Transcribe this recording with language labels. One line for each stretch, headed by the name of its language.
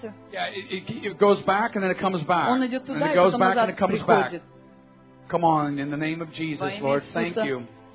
English: It goes back and then it comes back.
Russian: Он идет туда, и потом назад приходит.
English: Come on, in the name of Jesus, Lord, thank you.